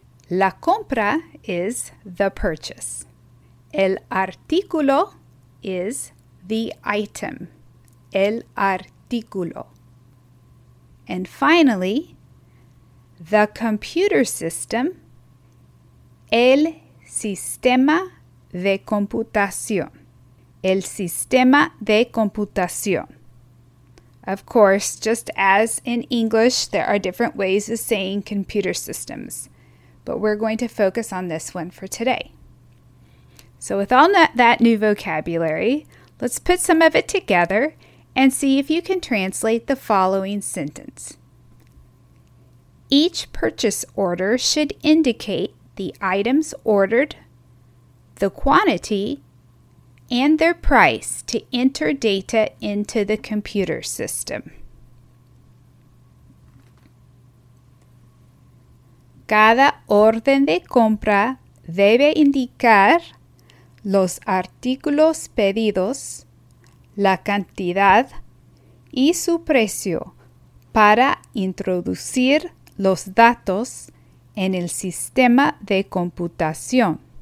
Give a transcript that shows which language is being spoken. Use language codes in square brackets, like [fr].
[en] La compra is the purchase. El artículo is the item. El artículo. And finally, the computer system. [es] El sistema de computación. El sistema de computación. [en] Of course, just as in English, there are different ways of saying computer systems, but we're going to focus on this one for today. So with all that new vocabulary, let's put some of it together and see if you can translate the following sentence. Each purchase order should indicate the items ordered, the quantity, and their price to enter data into the computer system. [es] Cada orden de compra debe indicar los artículos pedidos, la cantidad y su precio para introducir los datos en el sistema de computación.